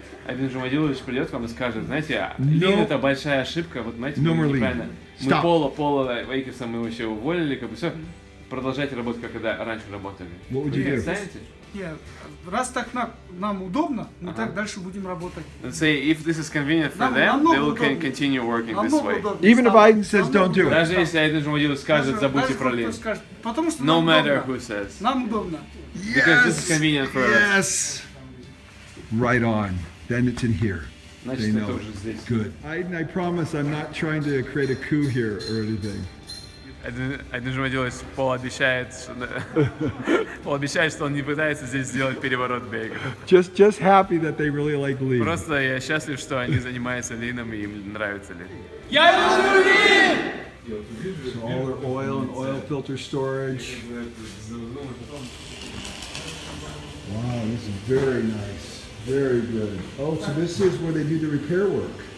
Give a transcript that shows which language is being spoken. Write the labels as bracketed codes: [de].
[ru] Айден Жумадилович придет к вам и скажет, знаете, Лин это большая ошибка, вот знаете, неправильно. Мы пола Вейкерса мы вообще уволили, как бы все. Продолжайте работать, как когда раньше работали. Вы не останетесь? Нет, раз так нам удобно, мы так дальше будем работать. [en] Let's say, if this is convenient for them, they will continue working this way. Even if Biden says don't do it. [ru] Даже если Айден Жумадилович скажет, забудьте про Лин. Потому что [en] no matter who says. [ru] Нам удобно. [en] Because this is convenient for us. Yes. Right on. Then it's in here. They know. Good. [ru] Айден, [en] I promise I'm not trying to create a coup here or anything. [ru] Айден Жумадилович пообещает, что он не пытается здесь сделать переворот Бейка. Just happy that they really like Лин. Просто я счастлив, что они занимаются Лином и им нравится Лин. Я люблю Лин! [en] So all their oil and oil filter storage. Wow, this is very nice. Very good. Oh, so this is where they do the repair work.